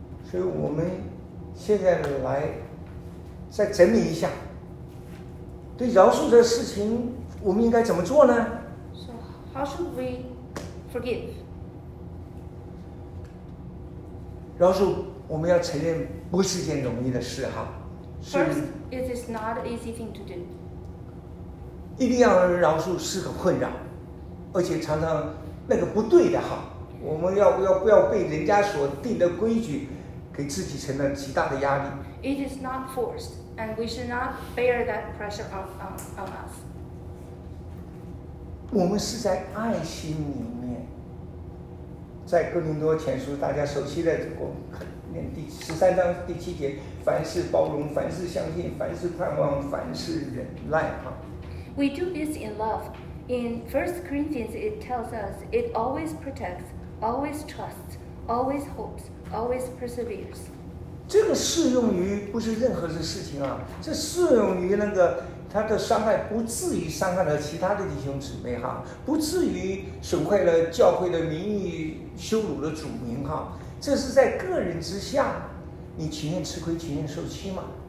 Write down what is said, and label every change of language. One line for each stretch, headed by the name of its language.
Chinese: 所以我们现在来再整理一下，对饶恕的事情我们应该怎么做呢？
English: So how should we forgive?
Chinese: 饶恕我们要承认不是件容易的事哈。
English: First, it is not an easy thing to do.
Chinese: 一定要饶恕是个困扰，而且常常那个不对的哈，我们要不要被人家所定的规矩给给自己承担极大的压力。
English: It is not forced, and we should not bear that pressure on us.
Chinese: 我们是在爱心里面，在哥林多前书大家熟悉的过。念第十三章第七节，凡事包容，凡事相信，凡事盼望，凡事忍耐。
English: We do this in love. In 1 Corinthians, it tells us it always protects, always trusts, always hopes, always perseveres.
Chinese: 这个适用于不是任何的事情啊，这适用于那个他的伤害不至于伤害了其他的弟兄姊妹哈，不至于损坏了教会的名誉，羞辱了主名哈。这是在个人之下，你情愿吃亏，情愿受欺吗？